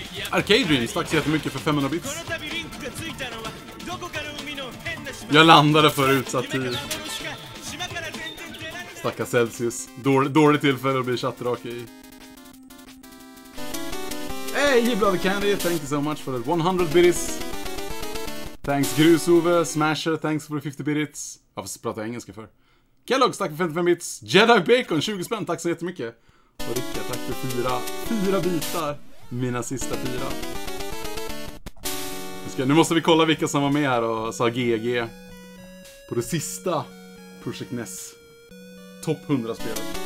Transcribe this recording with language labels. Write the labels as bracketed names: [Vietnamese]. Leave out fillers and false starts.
[Swedish] Arcade Dreams, tack så jättemycket för 500 bits. Jag landade för utsatt tid. Stackars Celsius. Dålig tillfälle att bli chattrak i. [English] Hey, Gibblad Candy, thank you so much for the 100 bits. Thanks Grusove, Smasher, thanks for the 50 bits. [Swedish] Varför pratar jag engelska för? Kellogg, tack för 55 bits. Jedi Bacon, 20 spänn, tack så jättemycket. Och Ricka, tack för fyra bitar. Mina sista fyra. Nu måste vi kolla vilka som var med här och sa GG. På det sista Project NES. Topp 100 spelet.